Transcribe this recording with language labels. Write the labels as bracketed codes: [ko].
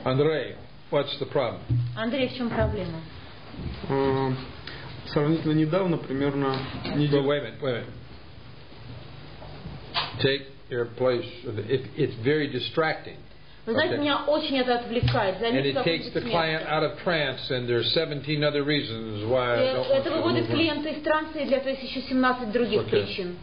[ru] Андрей, [en] what's the problem? [ru] Андрей, в чем проблема? Сравнительно недавно, примерно неделю. [en] But wait a minute. Take your place. It's very distracting. [ru] Вы знаете, меня очень это отвлекает. [en] And it takes the client out of trance, and there are 17 other reasons why. [ru] Это выводит клиента из транса, и для этого есть еще 17 других причин.